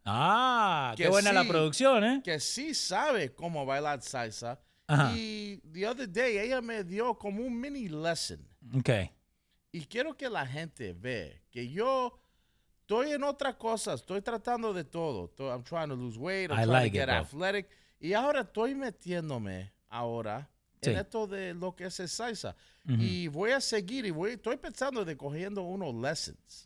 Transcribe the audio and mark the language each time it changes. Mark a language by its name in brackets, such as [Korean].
[Spanish] Ah, qué buena la producción, ¿eh? Que sí sabe cómo bailar salsa. Ajá. Y [English] the other day [Spanish] ella me dio como un [English] mini lesson. Okay. [Spanish] Y quiero que la gente vea que yo estoy en otras cosas, estoy tratando de todo. [English] I'm trying to lose weight, I'm trying to get athletic. [Spanish] Y ahora estoy metiéndome ahora en esto de lo que es el salsa. Mm-hmm. Y voy a seguir y estoy pensando de cogiendo unos lessons.